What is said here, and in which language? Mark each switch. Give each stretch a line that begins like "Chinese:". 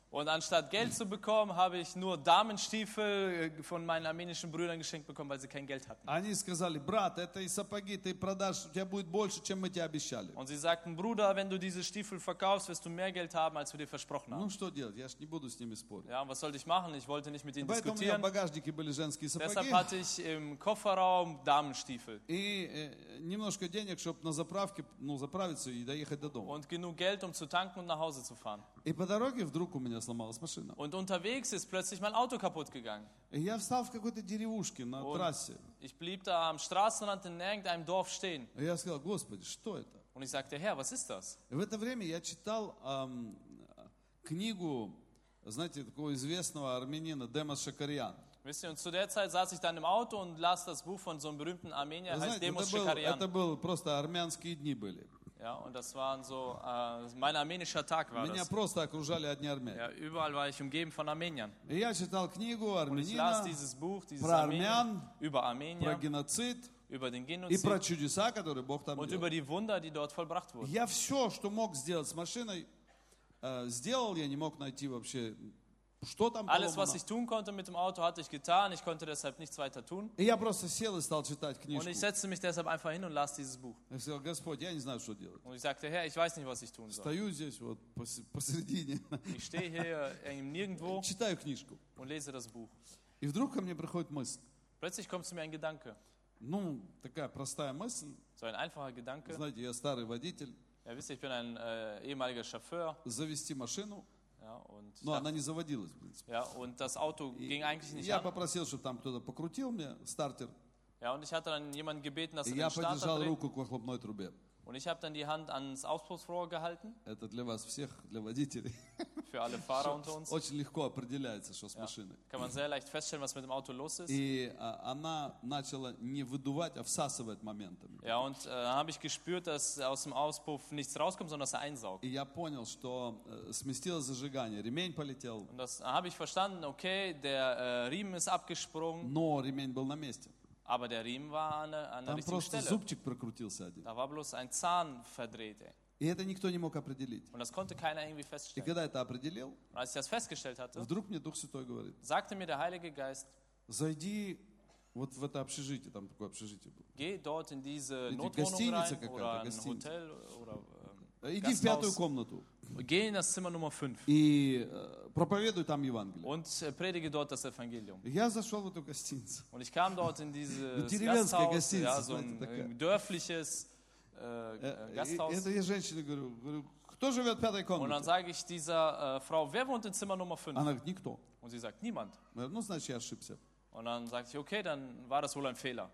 German: Und anstatt Geld zu bekommen, habe ich nur Damenstiefel von meinen armenischen Brüdern geschenkt bekommen, weil sie kein Geld hatten.
Russian: Они сказали, брат, это и сапоги, ты продашь, у тебя будет больше, чем мы тебе обещали.
German: Und sie sagten, Bruder, wenn du diese Stiefel verkaufst, wirst du mehr Geld haben, als wir dir versprochen haben.
Russian: Ну что делать, я ж не буду с ними спорить.
German: Ja, was sollte ich machen? Ich wollte nicht mit ihnen diskutieren.
Russian: Поэтому у меня в багажнике были женские сапоги.
German: Deshalb hatte ich im Kofferraum Damenstiefel.
Russian: И немножко денег, чтобы на заправке, ну, заправиться и доехать до дома.
German: Und genug Geld, um zu tanken und nach Hause zu fahren.
Russian: И по дороге вдруг у меня сломалась машина.
German: Und unterwegs ist plötzlich mein Auto kaputt gegangen.
Russian: И я встал в какой-то деревушке на
German: und
Russian: трассе.
German: Ich blieb da am Straßenrand in irgendeinem Dorf stehen.
Russian: И я сказал, Господи, что это?
German: Und ich sagte, Herr, was ist das?
Russian: И в это время я читал книгу, знаете, такого известного армянина Демос Шакарян.
German: Wisst ihr, und zu der Zeit saß ich dann im Auto und las das Buch von so einem berühmten Armenier, heißt Демос Шакарян.
Russian: Это был просто армянские дни были.
German: Ja, und das waren so, mein armenischer Tag war
Russian: Меня
German: das.
Russian: Просто окружали одни армяне.
German: Ja, überall war ich umgeben von Armeniern.
Russian: И я читал книгу армянина.
German: Und ich las dieses Buch, dieses
Russian: про армян,
German: über Armenier,
Russian: про геноцид,
German: über den Genozid,
Russian: и про чудеса, которые Бог там
German: und
Russian: делал.
German: Über die Wunder, die dort vollbracht wurden.
Russian: Я все, что мог сделать с машиной, сделал, я не мог найти вообще, что там
German: Alles,
Russian: поломано.
German: Was ich tun konnte mit dem Auto, hatte ich getan. Ich konnte deshalb nichts weiter tun.
Russian: И я просто сел и стал читать книжку.
German: Und ich setzte mich deshalb einfach hin und las dieses Buch.
Russian: Я сказал, Господь, я не знаю, что делать.
German: Und ich sagte, Herr, ich weiß nicht, was ich tun soll.
Russian: Стою здесь вот посередине.
German: Ich stehe hier nirgendwo.
Russian: Читаю книжку.
German: Und lese das Buch.
Russian: И вдруг ко мне приходит мысль.
German: Plötzlich kommt zu mir ein Gedanke.
Russian: Ну, такая простая мысль.
German: So ein einfacher Gedanke.
Russian: Знаете, я старый водитель.
German: Ja, wisst ihr, ich bin ein ehemaliger Chauffeur.
Russian: Завести машину. Ну, она не заводилась, в принципе.
German: Ja, und das Auto ging eigentlich nicht an.
Russian: Я попросил, чтобы там кто-то покрутил мне стартер.
German: Ja, und ich hatte dann jemanden gebeten, dass er den Starter dreht.
Russian: Я подержал руку к выхлопной трубе.
German: Und ich habe dann die Hand ans Auspuffrohr gehalten.
Russian: Это для вас всех, для водителей.
German: Für alle Fahrer unter uns.
Russian: Очень легко определяется, что с машиной.
German: Kann man sehr leicht feststellen, was mit dem Auto los ist.
Russian: И она начала не выдувать, а всасывать моментами.
German: Ja, und habe ich gespürt, dass aus dem Auspuff nichts rauskommt, sondern dass er einsaugt.
Russian: И я понял, что сместилось зажигание, ремень полетел.
German: Und das habe ich verstanden, okay, der Riemen ist abgesprungen.
Russian: Но ремень был на месте.
German: Aber der Riemen war an der richtigen Stelle.
Russian: Там просто зубчик прокрутился один.
German: Da war bloß ein Zahn verdreht.
Russian: И это никто не мог определить.
German: Und das konnte keiner irgendwie feststellen.
Russian: И когда это определил,
German: als ich das festgestellt hatte,
Russian: вдруг мне Дух Святой говорит,
German: sagte mir der Heilige Geist,
Russian: зайди вот в это общежитие, там такое общежитие было.
German: Geh dort in diese Notwohnung rein, oder ein Hotel, oder
Russian: Иди в пятую комнату.
German: Gehen das Zimmer Nummer 5.
Russian: И проповедую там Евангелие.
German: Und predige dort das Evangelium.
Russian: Я зашел в эту гостиницу.
German: Und ich kam dort in diese Gasthaus, ja, so ein dörfliches Gasthaus.
Russian: Это я женщине говорю, кто живет в пятой комнате?
German: Und dann sage ich dieser Frau, wer wohnt in Zimmer Nummer 5?
Russian: Она говорит, никто.
German: Und sie sagt, niemand.
Russian: Ну, значит, я ошибся.
German: Und dann sagte ich, okay, dann war das wohl ein Fehler.